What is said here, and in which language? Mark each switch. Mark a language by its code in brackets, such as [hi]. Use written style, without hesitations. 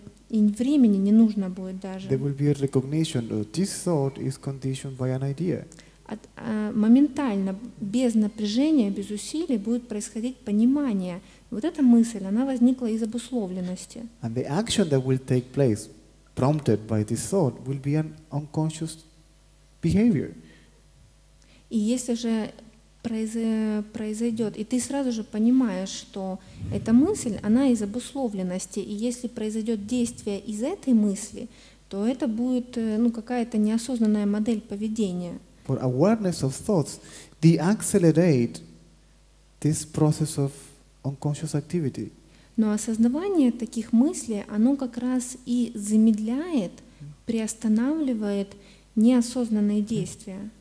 [ru] времени не нужно будет даже, [en] there will be a recognition that this thought is conditioned by an idea. [ru] Моментально, без напряжения, без усилий, будет происходить понимание. Вот эта мысль, она возникла из обусловленности. [en] And the action that will take place, prompted by this thought, will be an unconscious behavior. [ru] И если же произойдет, и ты сразу же понимаешь, что эта мысль, она из обусловленности, и если произойдет действие из этой мысли, то это будет, ну, какая-то неосознанная модель поведения. [en] For awareness of thoughts, they accelerate this process of unconscious activity. [ru] Но осознавание таких мыслей, оно как раз и замедляет, приостанавливает неосознанные действия.